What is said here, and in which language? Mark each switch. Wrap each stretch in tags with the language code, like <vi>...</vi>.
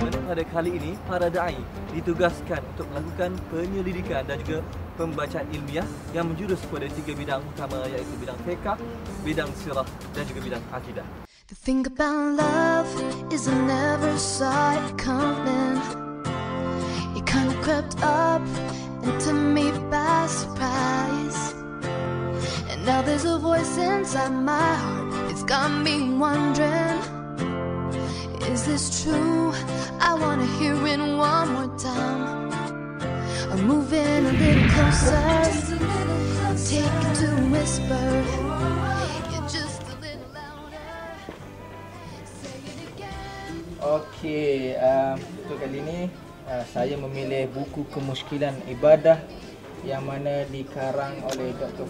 <ms>pada kali ini, para da'i ditugaskan untuk melakukan penyelidikan dan juga pembacaan ilmiah yang menjurus pada tiga bidang utama, iaitu bidang fiqh, bidang sirah dan juga bidang akidah.</ms> <en>The thing about love is a never sight coming. It kind of crept up and took me by surprise. And now there's a voice inside my heart. It's got me wondering, is this true? I wanna hear it one more time. I'm moving a little closer, take it to whisper. You're just a little louder, say it again.</en> <ms>Okay, untuk kali ni saya memilih buku Kemuskilan Ibadah yang mana dikarang oleh Dr.</ms>